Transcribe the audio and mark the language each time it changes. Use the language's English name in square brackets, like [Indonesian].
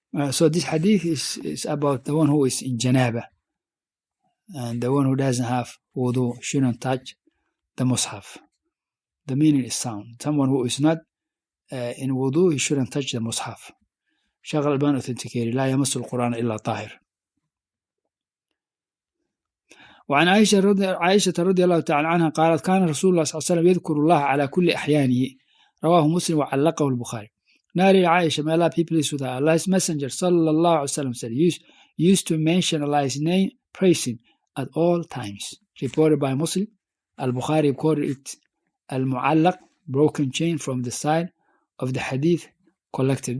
[English] So this hadith is about the one who is in janabah, and the one who doesn't have wudu shouldn't touch the mushaf. The meaning is sound. Someone who is not in wudu, he shouldn't touch the mushaf. Shaykh al-Albani authenticated, [Arabic] لا يمس القرآن إلا طاهر. وعن عائشة رضي الله تعالى عنها قالت كان رسول الله صلى الله عليه وسلم يذكر الله على كل أحيانه. رواه مسلم وعلقه البخاري. [English] Nari Aisha, may Allah be pleased with her. Allah's Messenger, sallallahu alayhi wa sallam, said, used to mention Allah's name, praise him at all times. Reported by Muslim, Al-Bukhari quoted it, Al-Mu'allaq, broken chain from the side of the hadith collected.